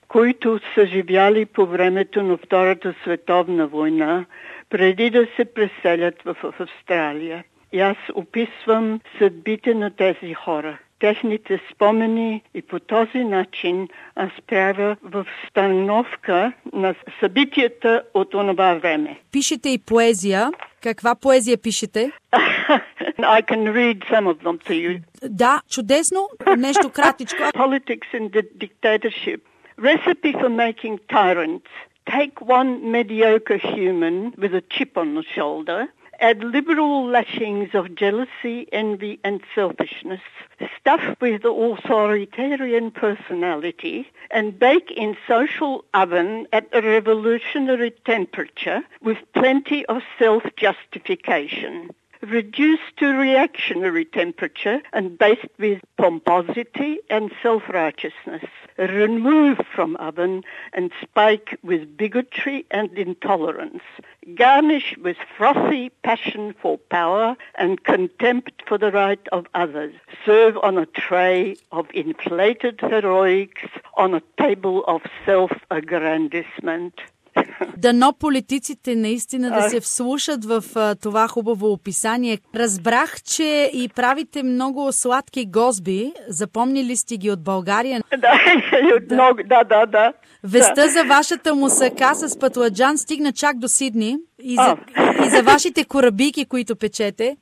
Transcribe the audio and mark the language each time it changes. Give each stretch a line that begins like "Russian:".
Bulgarian: които са живяли по времето на Втората световна война, преди да се преселят в Австралия. И аз описвам съдбите на тези хора, техните спомени, и по този начин аз правя възстановка на събитията от онова време. Пишете и поезия. Каква поезия пишете?
English: I can read some of them to you.
Bulgarian: Да, чудесно. Нещо кратичко.
English: Politics and the dictatorship. Recipe for making tyrants. Take one mediocre human with a chip on the shoulder. Add liberal lashings of jealousy, envy and selfishness. Stuff with authoritarian personality and bake in social oven at a revolutionary temperature with plenty of self-justification. Reduced to reactionary temperature and based with pomposity and self-righteousness. Removed from oven and spike with bigotry and intolerance. Garnish with frothy passion for power and contempt for the right of others. Serve on a tray of inflated heroics on a table of self-aggrandizement.
Bulgarian: Дано политиците наистина да се вслушат в това хубаво описание. Разбрах, че и правите много сладки гозби. Запомнили сте ги от България? Да, и от много. Да, да, да. Веста за вашата мусака с патладжан стигна чак до Сидни и за вашите корабики, които печете.